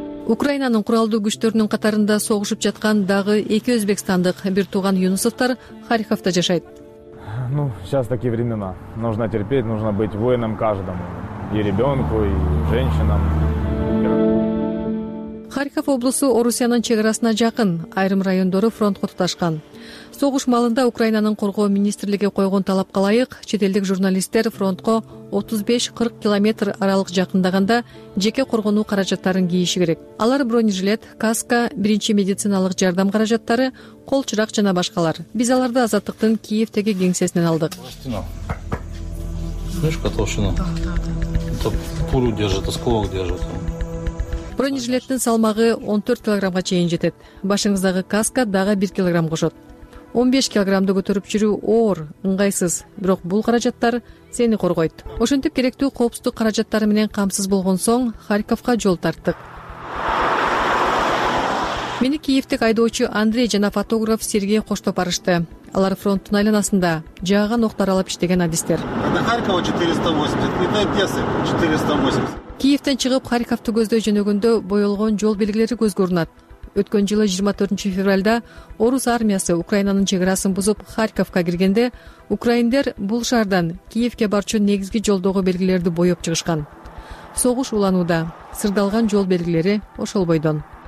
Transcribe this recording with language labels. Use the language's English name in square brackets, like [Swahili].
[Kyrgyz] Украинанын куралдуу күчтөрүнүн катарында согушуп жаткан дагы эки өзбекстандык бир тууган Юнусовтор Харьковто жашайт. [Russian] Ну, сейчас такие времена. Нужно терпеть, нужно быть воином каждому. И ребенку, и женщинам. [Kyrgyz] Харьков облусу Орусиянын чек арасына жакын, айрым райондору фронтко туташкан. Согуш маалында Украинанын коргоо министрлиги койгон талапка ылайык, чет элдик журналисттер фронтко 35-40 километр аралык жакындаганда жеке коргонуу каражаттарын кийиши керек. Алар бронежилет, каска, биринчи медициналык жардам каражаттары, кол чырак жана башкалар. Биз аларды Азаттыктын Киевтеги кеңсесинен алдык. [Russian] Слышка толщина? Да. Пулю держит, осколок держит. [Kyrgyz] Бронежилеттин салмагы 14 килограммга чейин жетет. Башыңыздагы каска дагы 1 килограмм кошот. 15 килограммды көтөрүп жүрүү оор, ыңгайсыз, бирок бул каражаттар сени коргойт. Ошентип керектүү коопсуздук каражаттары менен камсыз болгон соң, Харьковго жол тарттык. Мени Киевтик айдоочу Андрей жана фотограф Сергей коштоп барышты. Алар фронттун айланасында жааган октор алып иштеген адистер. [Russian] Это Харьково 480, это Одесса 480. [Kyrgyz] Киевтен чыгып Харьковту көздөй жөнөгөндө боелгон жол белгилери көзгө урунат. Өткөн жылы 24 февральда орус армиясы Украинанын чек арасын бузуп Харьковко киргенде украиндер бул шаардан Киевке барчу негизги жолдогу белгилерди боеп чыгышкан. Согуш уланууда, сырдалган жол белгилери ошол бойдон.